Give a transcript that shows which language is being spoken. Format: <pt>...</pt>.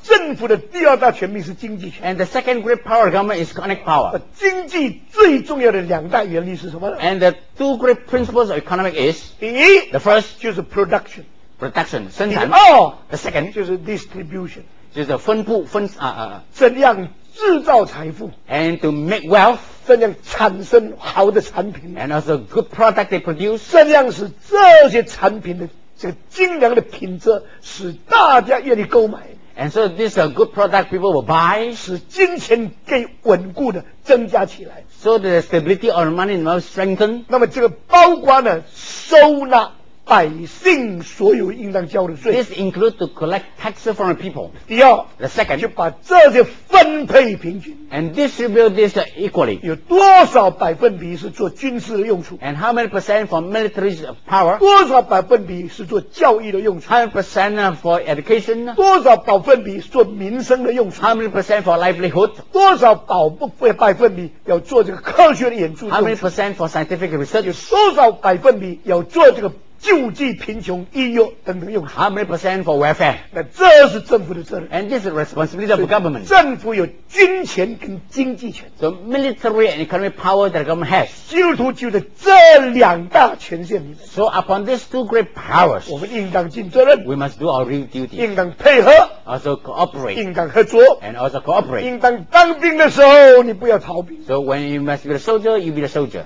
<zh>政府的第二大权利是经济权。</zh> <en>And the second great power of government is economic power.</en> <zh>经济最重要的两大原理是什么呢</zh> <en>？And the two great principles of economic is</en> <zh>第一</zh> <en>，the first</en> <zh>就是 production，生产。第二</zh> <en>，the second</en> <zh>就是 distribution，就是分布分啊啊。怎样制造财富</zh> <en>？And to make wealth。</en> <zh>怎样产生好的产品</zh> <en>？And also good product they produce。</en> <zh>怎样使这些产品的这个精良的品质使大家愿意购买</zh> <en>？And so this a good product people will buy。</en> <zh>使金钱给稳固的增加起来。</zh> <en>So the stability of money will strengthen。</en> <zh>那么这个包括呢收纳百姓所有应当交的税。</zh> <en>This include to collect taxes from the people。</en> <zh>第二</zh> <en>，the second，</en> <zh>就把这些分配平均。</zh> <en>And distribute this equally。</en> <zh>有多少百分比是做军事的用处</zh> <en>？And how many percent for military power？</en> <zh>多少百分比是做教育的用处</zh> <en>？How many percent for education？</en> <zh>多少百分比是做民生的用处</zh> <en>？How many percent for livelihood？</en> <zh>多少百分比要做这个科学的研究</zh> <en>？How many percent for scientific research？</en> <zh>有多少百分比要做这个救济贫穷、医药等等用处。</zh> <en>How many percent for welfare？</en> <zh>那这是政府的责任。</zh> <en>And this is responsibility of government。</en> <zh>政府有军权跟经济权。</zh> <en>So military and economic power that the government has。</en> <zh>基督徒就在这两大权限里面。</zh> <en>So upon these two great powers，</en> <zh>我们应当尽责任。</zh> <en>We must do our real duty。</en> <zh>应当配合。</zh> <en>also cooperate.</en> <zh>应当合作</zh> <en>and also cooperate.</en> <zh>应当当兵的时候，你不要逃兵。</zh> <en>So when you must be a soldier, you be a soldier.</en>